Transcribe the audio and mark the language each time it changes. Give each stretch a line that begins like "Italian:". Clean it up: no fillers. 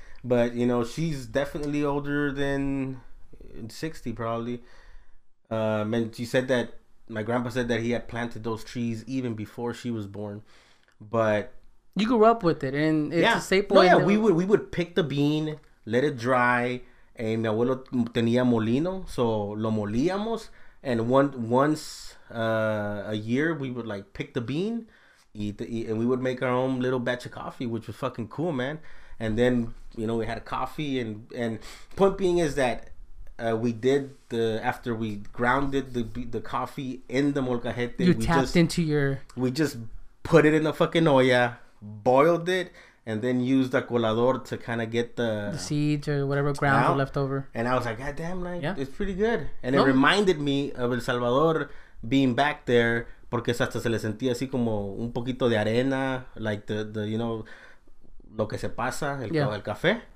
English: But, you know, she's definitely older than 60, probably. And she said that, my grandpa said that he had planted those trees even before she was born. But. You grew up with it, and it's yeah. a staple. No, yeah, we would pick the bean, let it dry.
Spanish: And mi abuelo tenía molino, so lo molíamos.
English: And once a year, we would, like, pick the bean. Eat, and we would make our own little batch of coffee, which was fucking cool, man. And then, you know, we had a coffee, and point being is that we did the, after we grounded the coffee in the molcajete, you we tapped just, into your, we just put it in a fucking olla, boiled it, and then used a colador to kind of get the seeds or whatever grounds were left over. And I was like, god damn, like, yeah. It's pretty good. And it reminded me of El Salvador being back there.
Spanish: Porque hasta se le sentía así como un poquito de arena,
English: like the you know,
Spanish: lo que se pasa, el café.